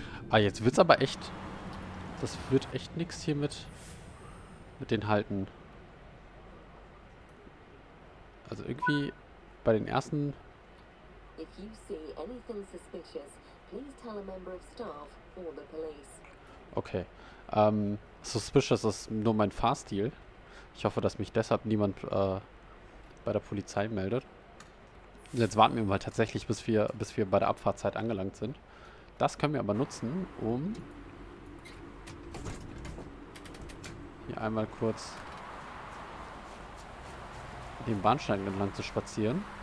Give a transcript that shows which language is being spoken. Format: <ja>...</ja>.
<de>Ah, jetzt wird's aber echt. Das wird echt nichts hier mit den Halten. Also irgendwie bei den ersten.</de> <en>If you see anything suspicious, please tell a member of staff or the police. Okay.</en> <de>Suspicious ist nur mein Fahrstil. Ich hoffe, dass mich deshalb niemand bei der Polizei meldet. Jetzt warten wir mal tatsächlich, bis wir bei der Abfahrtzeit angelangt sind. Das können wir aber nutzen, um hier einmal kurz den Bahnsteig entlang zu spazieren.</de>